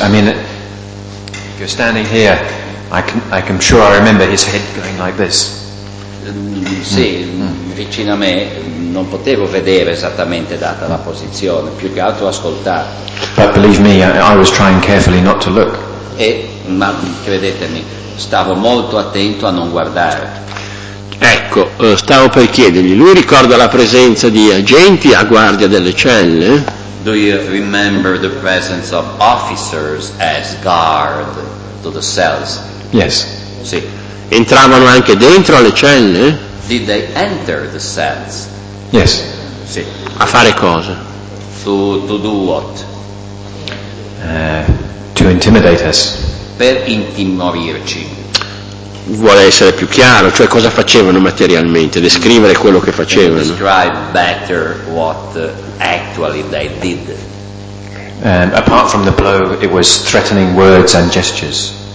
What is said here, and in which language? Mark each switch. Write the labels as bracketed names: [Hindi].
[English] I mean, if you're standing here, I'm sure I remember his head going like this. [Italian] Sì, vicino a me non potevo vedere esattamente data la posizione, più che altro ascoltare. [English] But believe me, I was trying carefully not to look. [Italian] Ma credetemi, stavo molto attento a non guardare. Ecco, stavo per chiedergli, lui ricorda la presenza di agenti a guardia delle celle? [English] Do you remember the presence of officers as guard to the cells? Yes. [Italian] Sì. Entravano anche dentro alle celle? [English] Did they enter the cells? Yes. [Italian] Sì. A fare cosa? [English] To do what? To intimidate us. [Italian] Per intimorirci. Vuole essere più chiaro, cioè cosa facevano materialmente, descrivere quello che facevano. [English] Describe better what actually they did. Apart from the blow, it was threatening words and gestures.